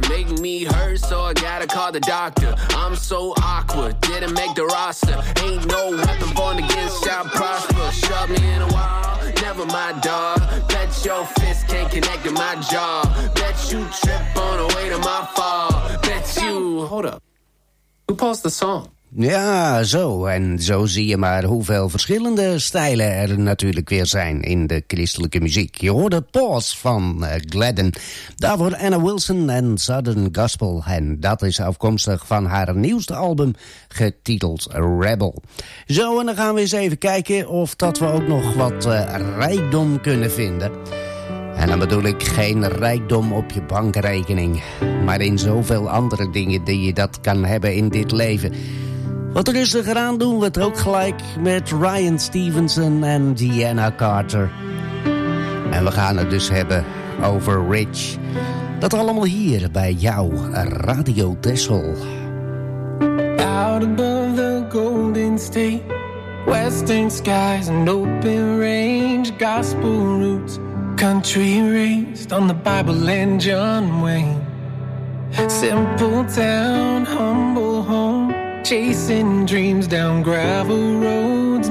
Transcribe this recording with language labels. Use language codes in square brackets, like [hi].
[en] Make me hurt, so I gotta call the doctor. I'm so awkward, didn't make the roster. Ain't no weapon born against y'all prosper. Shove me in a wall, never my dog. Bet your fist can't connect to my jaw. Bet you trip on the way to my fall. Bet you... Hold up. Who paused the song? [nl] Ja, zo. En zo zie je maar hoeveel verschillende stijlen er natuurlijk weer zijn in de christelijke muziek. Je hoorde Pause van Gladden. Daarvoor Anna Wilson en Southern Gospel. En dat is afkomstig van haar nieuwste album, getiteld Rebel. Zo, en dan gaan we eens even kijken of dat we ook nog wat rijkdom kunnen vinden. En dan bedoel ik geen rijkdom op je bankrekening, maar in zoveel andere dingen die je dat kan hebben in dit leven. Wat rustig eraan doen we het ook gelijk met Ryan Stevenson en Deanna Carter. En we gaan het dus hebben over Rich. Dat allemaal hier bij jou, Radio Texel. [en] Out above the golden state, western skies and open range, gospel roots, country raised on the Bible and John Wayne. Simple town, humble home, chasing dreams down gravel roads.